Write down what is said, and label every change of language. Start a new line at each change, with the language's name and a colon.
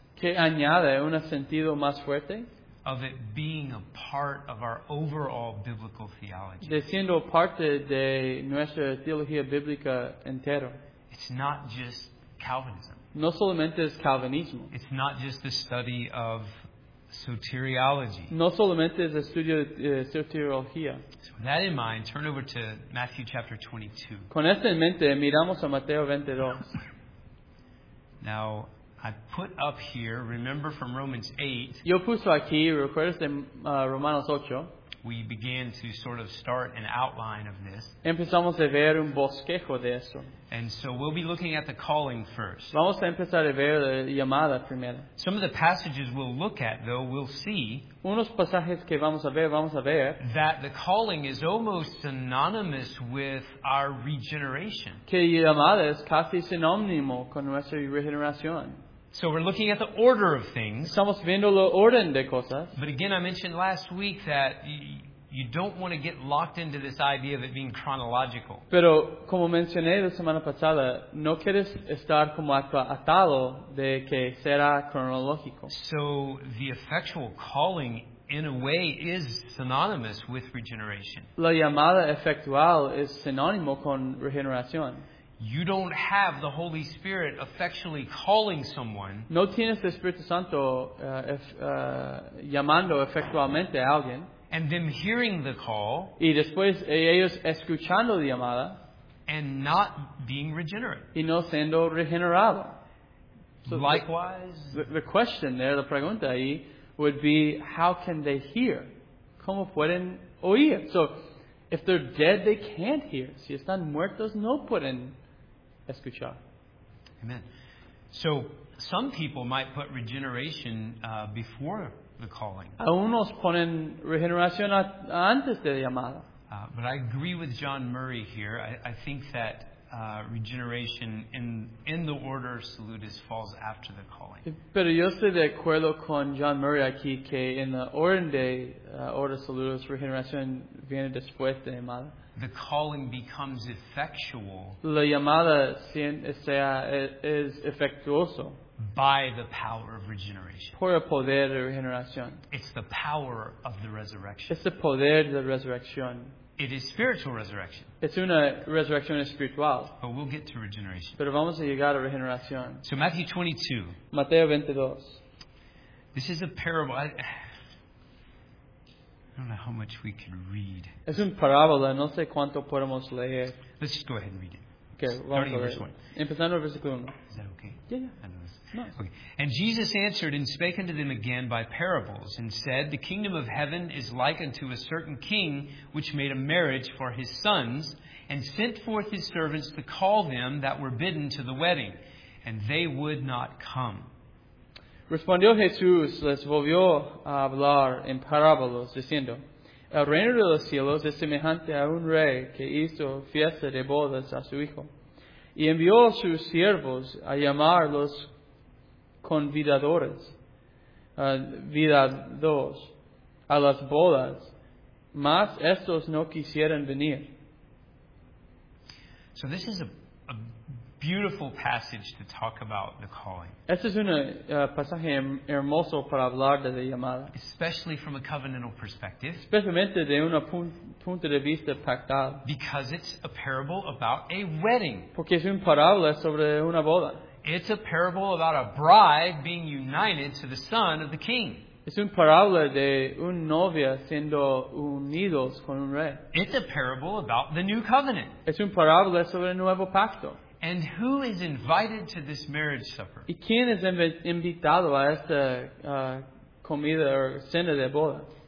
Spanish: Que añade un sentido más fuerte.
English: Of it being a part of our overall biblical theology.
Spanish: De siendo parte de nuestra teología bíblica entera.
English: It's not just Calvinism.
Spanish: No solamente es Calvinismo.
English: It's not just the study of soteriology.
Spanish: No solamente es estudio de soteriología.
English: So with that in mind, turn over to Matthew chapter 22.
Spanish: Con esto en mente, miramos a Mateo 22.
English: Now, I put up here, remember from Romans 8.
Spanish: Yo puso aquí, recuerdas de Romanos 8.
English: we begin to sort of start an outline of this.
Spanish: Empezamos a ver un bosquejo de eso.
English: And so we'll be looking at the calling first.
Spanish: Vamos a empezar a ver la llamada primero.
English: Some of the passages we'll look at, though, we'll see
Spanish: unos pasajes que vamos a ver
English: that the calling is almost synonymous with our regeneration.
Spanish: Que llamada es casi sinónimo con nuestra regeneración.
English: So we're looking at the order of things.
Spanish: Estamos viendo la orden de cosas.
English: But again, I mentioned last week that you don't want to get locked into this idea of it being chronological.
Spanish: Pero como mencioné la semana pasada, no quieres estar como atado de que será cronológico.
English: So the effectual calling, in a way, is synonymous with regeneration.
Spanish: La llamada efectual es sinónimo con regeneración.
English: You don't have the Holy Spirit effectually calling someone.
Spanish: No tienes el Espíritu Santo llamando efectivamente a alguien.
English: And them hearing the call.
Spanish: Y después ellos escuchando la llamada.
English: And not being regenerate.
Spanish: Y no siendo regenerado.
English: So likewise. The question there, the
Spanish: pregunta ahí,
English: would be, how can they hear?
Spanish: ¿Cómo pueden oír?
English: So, if they're dead, they can't hear.
Spanish: Si están muertos, no pueden escuchar.
English: Amen. So, some people might put regeneration before the calling.
Spanish: Algunos ponen regeneración antes de la llamada.
English: But I agree with John Murray here. I think that regeneration in the order salutis falls after the calling.
Spanish: Pero yo estoy de acuerdo con John Murray aquí que en la orden de order salutis regeneración viene después de llamada.
English: The calling becomes effectual.
Spanish: La llamada es efectuoso.
English: By the power of regeneration.
Spanish: Por el poder de regeneración.
English: It's the power of the resurrection.
Spanish: Es el poder de la resurrección.
English: It is spiritual resurrection.
Spanish: Es una resurrección espiritual.
English: But we'll get to regeneration.
Spanish: Pero vamos a llegar a regeneración.
English: So Matthew 22.
Spanish: Mateo 22.
English: This is a parable. I don't know how much we can read.
Spanish: Es una parábola. No sé cuánto podemos leer.
English: Let's just go ahead and read it. Okay, starting in verse 1.
Spanish: Empezando en versículo 1.
English: Is that okay? Yeah. Okay. And Jesus answered and spake unto them again by parables, and said, The kingdom of heaven is like unto a certain king which made a marriage for his sons, and sent forth his servants to call them that were bidden to the wedding, and they would not come.
Spanish: Respondió Jesús, les volvió a hablar en parábolas, diciendo, El reino de los cielos es semejante a un rey que hizo fiesta de bodas a su hijo, y envió a sus siervos a llamar los convidadores, convidados a las bodas, mas estos no quisieron venir.
English: So this is a beautiful passage to talk about the calling.
Spanish: Este es un pasaje hermoso para hablar de la llamada.
English: Especially from a covenantal perspective.
Spanish: Especialmente de un punto de vista pactal.
English: Because it's a parable about a wedding.
Spanish: Porque es una parábola sobre una boda.
English: It's a parable about a bride being united to the son of the king.
Spanish: Es una parábola de una novia siendo unidos con un rey.
English: It's a parable about the new covenant.
Spanish: Es una parábola sobre el nuevo pacto.
English: And who is invited to this marriage supper?
Spanish: ¿Y quién es invitado a esta comida o cena de boda?